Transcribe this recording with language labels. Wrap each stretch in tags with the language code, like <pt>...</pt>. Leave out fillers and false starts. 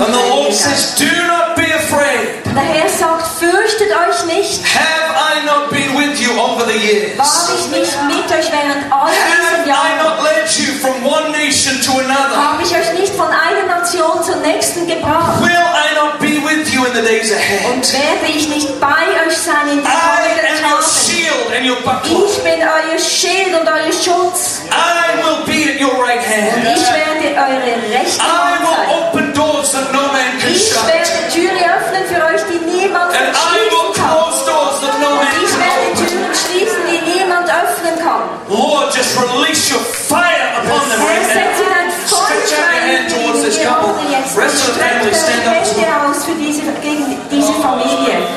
<en>And the Lord says, do not be afraid.</en> <de>Der Herr sagt, fürchtet euch nicht.</de> <en>Have I not been with you over the years?</en> <de>War ich nicht mit euch während all diesen Jahren?</de> <en>Have I not led you from one nation to another?</en> <de>Habe ich euch nicht von einer Nation zur nächsten gebracht?</de> <en>Will I not be with you in the days ahead?</en> <de>Und werde ich nicht bei euch sein in den kommenden Tagen?</de> <en>I am your shield and your buckler.</en> <de>Ich bin euer Schild und euer Schutz.</de> <en>I will be at your right hand.</en> <de>Und ich werde eure rechte Hand sein.</de> <en>I will open doors that no man can shut.</en> <de>Ich werde Türen öffnen für euch, die niemand</de> <en>and</en> <de>verschließen kann.</de> <en>I will close doors that no man</en> <de>ich werde Türen schließen, die niemand öffnen kann.</de> <en>Lord, just release your fire upon them right now. Stretch out your hand towards this couple. Rest of the family, stand up.</en> <de>Strecke deine Hände aus für diese, gegen diese Familie.</de>